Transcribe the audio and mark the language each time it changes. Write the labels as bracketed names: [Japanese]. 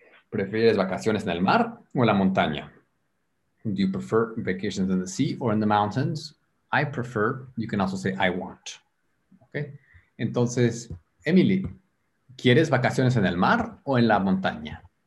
[Spanish] ¿Prefieres vacaciones en el mar o en la montaña? [English] Do you prefer vacations in the sea or in the mountains? I prefer, you can also say I want. Okay. [Spanish] Entonces, Emily, ¿quieres vacaciones en el mar o en la montaña?